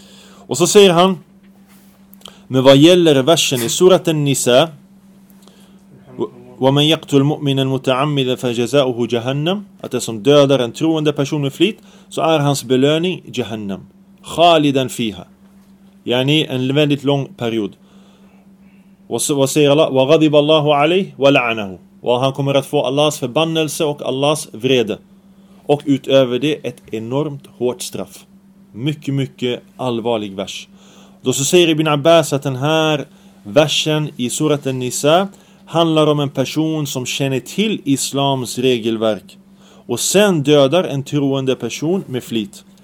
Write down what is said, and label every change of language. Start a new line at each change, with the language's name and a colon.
Swedish: Och så säger han, men vad gäller versen i surat An-Nisa,
Arabic: وَمَنْ يَقْتُلْ مُؤْمِنًا مُتَعَمِّدًا فَجَزَاؤُهُ جَهَنَّمْ.
Swedish: Att det som dödar en troende person med flit, så är hans belöning Jahannam.
Arabic: خَالِدًا فِيهَا.
Swedish: Yani en väldigt lång period. Och säger Allah,
Arabic: وَغَضِبَ اللَّهُ عَلَيْهُ وَلَعَنَهُ.
Swedish: Och han kommer att få Allahs förbannelse och Allahs vrede. Och utöver det ett enormt hårt straff. Mycket, mycket allvarlig vers. Då så säger Ibn Abbas att den här versen i surat An-Nisa handlar om en person som känner till islams regelverk och sen dödar en troende person med flit.